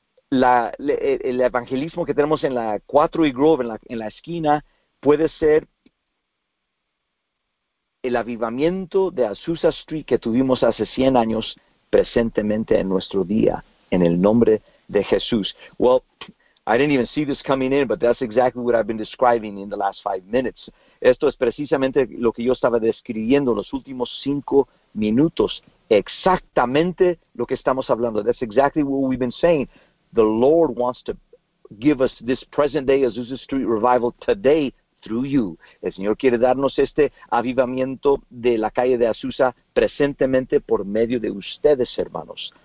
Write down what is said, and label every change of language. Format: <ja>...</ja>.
<es>el evangelismo que tenemos en la 4 y Grove, en la esquina, puede ser el avivamiento de Azusa Street que tuvimos hace 100 años presentemente en nuestro día, en el nombre de Jesús.</es> <en>Well, I didn't even see this coming in, but that's exactly what I've been describing in the last 5 minutes.</en> <es>Esto es precisamente lo que yo estaba describiendo en los últimos 5 minutos. Exactamente lo que estamos hablando.</es> <en>That's exactly what we've been saying. The Lord wants to give us this present day Azusa Street revival today through you.</en> <es>El Señor quiere darnos este avivamiento de la calle de Azusa presentemente por medio de ustedes, hermanos.</es>